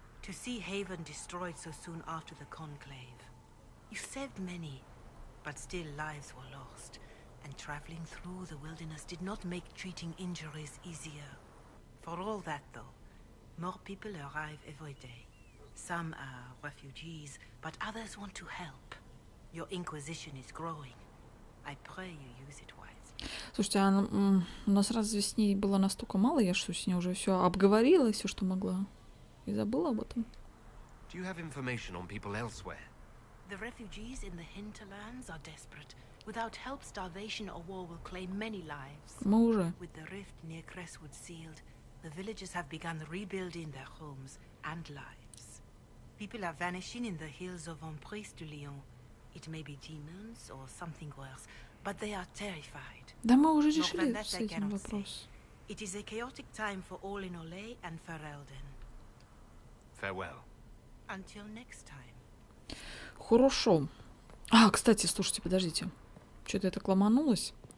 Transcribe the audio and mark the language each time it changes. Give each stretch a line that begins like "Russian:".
English: To see Haven destroyed so soon after the Conclave. You saved many, but still lives were lost. And traveling through the wilderness did not make treating injuries easier. For all that, though, more people arrive every day. Some are refugees, but others want to help. Your Inquisition is growing. I pray you use it wisely.
Russian: Слушайте, а у нас разве с ней было настолько мало? Я что, с ней уже все обговорила, все, что могла? И забыла об этом?
English: Do you have information on people elsewhere? The refugees in the hinterlands are desperate. Without help, starvation or war will claim many lives.
Russian: Мы уже.
English: With the rift near Crestwood sealed, the villagers have begun rebuilding their homes and lives. People are vanishing in the hills of Emprise de Lyon. It may be demons or something worse, but they are terrified.
Russian: Да мы уже решили с этим вопрос.
English: It is a chaotic time for all in Olay and Ferelden. Farewell. Until next time.
Russian: Хорошо. А, кстати, слушайте, подождите. Что-то я так ломанулась.